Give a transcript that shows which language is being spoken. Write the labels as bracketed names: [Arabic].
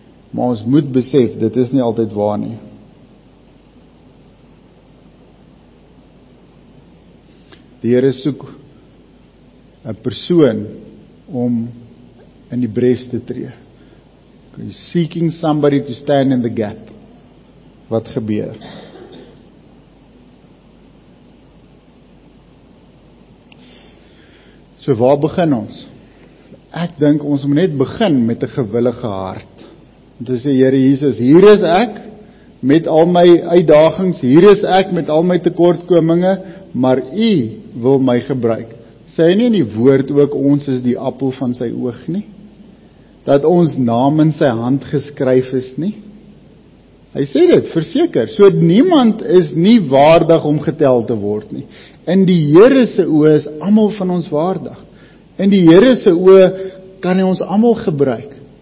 [Afrikaans] Maar ons moet besef, dit is nie altyd waar nie. Die Here soek 'n persoon om in die bres te tree. [English] He's seeking somebody to stand in the gap. [Afrikaans] Wat gebeur? So waar begin ons? Ek dink ons moet net begin met 'n gewillige hart. Om te sê, Here Jesus, hier is ek met al my uitdagings, hier is ek met al my tekortkominge, maar U wil my gebruik. Sê hy nie in die woord ook, ons is die appel van sy oog nie? Dat ons naam in sy hand geskryf is nie? Hy sê dit, verseker, so niemand is nie waardig om getel te word nie. In die Here se oë is almal van ons waardig. In die Here se oë kan hy ons almal gebruik.